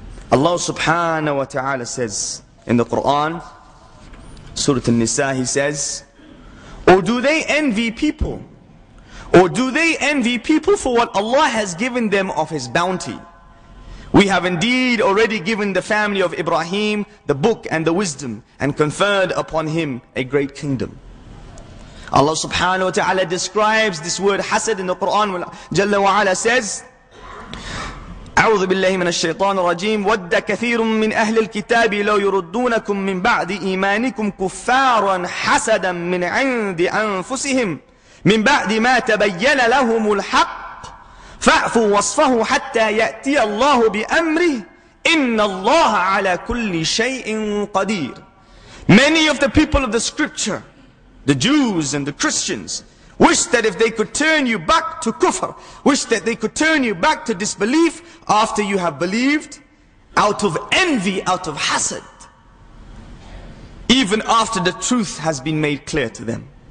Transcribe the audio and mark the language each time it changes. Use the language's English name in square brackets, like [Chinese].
[English] Allah subhanahu wa ta'ala says in the Quran, Surah An-Nisa, he says, "Or do they envy people? Or do they envy people for what Allah has given them of His bounty? We have indeed already given the family of Ibrahim the book and the wisdom and conferred upon him a great kingdom." Allah subhanahu wa ta'ala describes this word hasad in the Quran. [Arabic] Jalla wa ala says, أعوذ بالله من الشيطان الرجيم ود كثير من أهل الكتاب لو يردونكم من بعد إيمانكم كفارا حسدا من عند أنفسهم من بعد ما تبين لهم الحق فاعفوا وصفه حتى يأتي الله بأمره إن الله على كل شيء قدير. [English] Many of the people of the scripture, the Jews and the Christians, wish that if they could turn you back to kufr, wish that they could turn you back to disbelief after you have believed, out of envy, out of hasad, even after the truth has been made clear to them.